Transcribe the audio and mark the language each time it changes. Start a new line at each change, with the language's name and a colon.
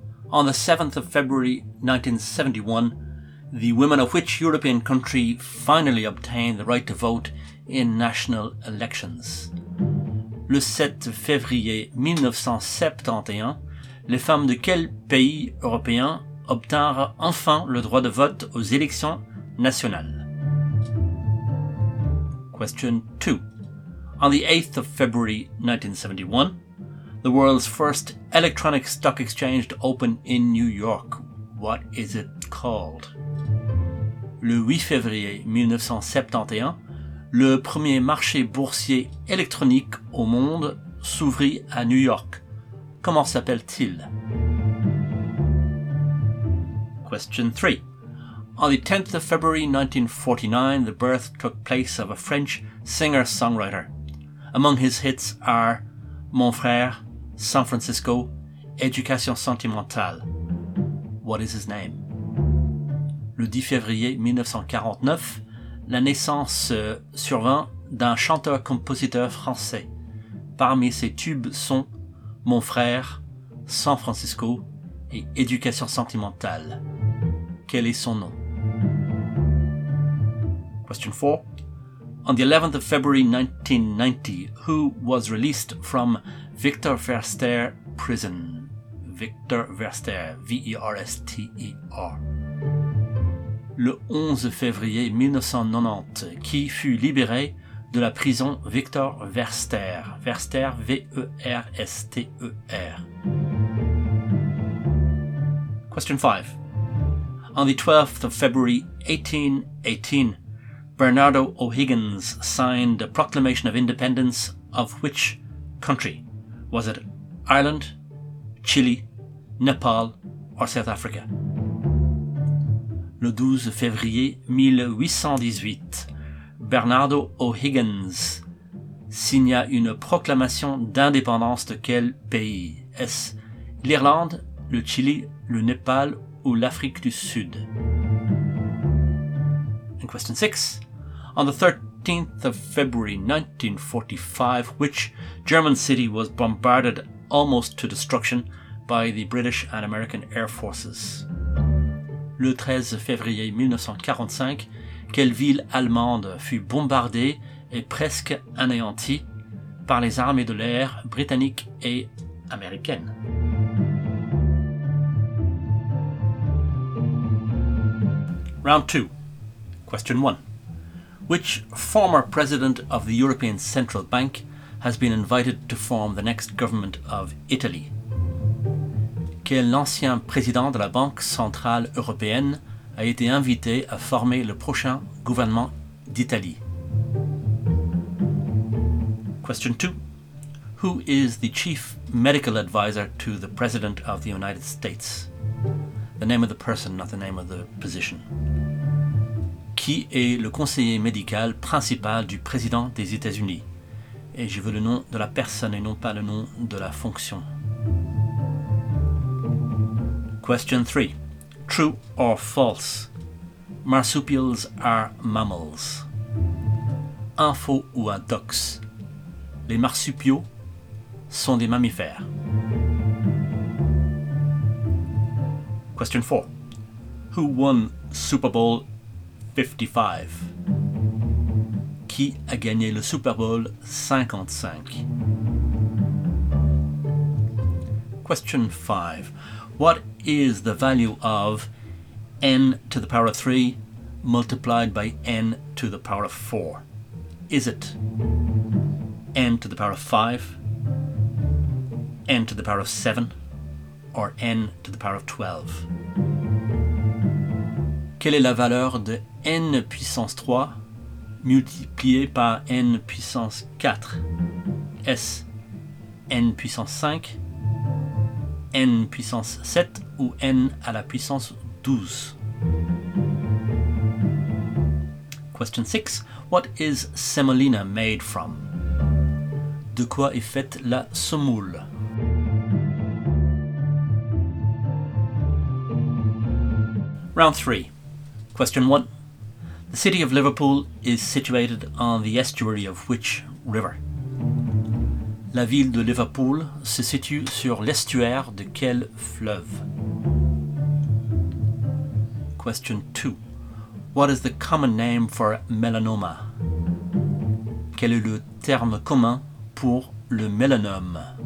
English: On the 7th of February 1971, the women of which European country finally obtained the right to vote in national elections?
French: Le 7 février 1971, les femmes de quel pays européen obtinrent enfin le droit de vote aux élections nationales?
English: Question 2. On the 8th of February 1971, the world's first electronic stock exchange to open in New York. What is it called?
French: Le 8 février 1971, le premier marché boursier électronique au monde s'ouvrit à New York. Comment s'appelle-t-il?
English: Question 3. On the 10th of February 1949, the birth took place of a French singer-songwriter. Among his hits are Mon Frère, San Francisco, Éducation Sentimentale. What is his name?
French: Le 10 février 1949, la naissance survint d'un chanteur-compositeur français. Parmi ses tubes sont Mon Frère, San Francisco et Éducation Sentimentale. Quel est son nom?
English: Question 4. On the 11th of February 1990, who was released from Victor Verster prison? Victor Verster, V-E-R-S-T-E-R.
French: Le 11 février 1990, qui fut libéré de la prison Victor Verster? Verster, V-E-R-S-T-E-R.
English: Question 5. On the 12th of February 1818, Bernardo O'Higgins signed a proclamation of independence of which country? Was it Ireland, Chile, Nepal, or South Africa?
French: Le 12 février 1818, Bernardo O'Higgins signa une proclamation d'indépendance de quel pays? Est-ce l'Irlande, le Chili, le Népal ou l'Afrique du Sud?
English: And question 6. On the 13th of February 1945, which German city was bombarded almost to destruction by the British and American air forces?
French: Le 13 février 1945, quelle ville allemande fut bombardée et presque anéantie par les armées de l'air britanniques et américaines?
English: Round 2. Question 1. Which former president of the European Central Bank has been invited to form the next government of Italy?
French: Quel ancien président de la Banque Centrale Européenne a été invité à former le prochain gouvernement d'Italie?
English: Question 2. Who is the chief medical advisor to the president of the United States? The name of the person, not the name of the position.
French: Qui est le conseiller médical principal du président des États-Unis? Et je veux le nom de la personne et non pas le nom de la fonction.
English: Question 3. True or false? Marsupials are mammals.
French: Info ou un dox? Les marsupiaux sont des mammifères.
English: Question 4. Who won Super Bowl 55.
French: Qui a gagné le Super Bowl 55?
English: Question 5. What is the value of n to the power of 3 multiplied by n to the power of 4? Is it n to the power of 5, n to the power of 7, or n to the power of 12?
French: Quelle est la valeur de n puissance 3 multiplié par n puissance 4? Est-ce n puissance 5, n puissance 7 ou n à la puissance 12?
English: Question 6. What is semolina made from?
French: De quoi est faite la semoule?
English: Round 3. Question 1. The city of Liverpool is situated on the estuary of which river?
French: La ville de Liverpool se situe sur l'estuaire de quel fleuve?
English: Question 2. What is the common name for melanoma?
French: Quel est le terme commun pour le mélanome?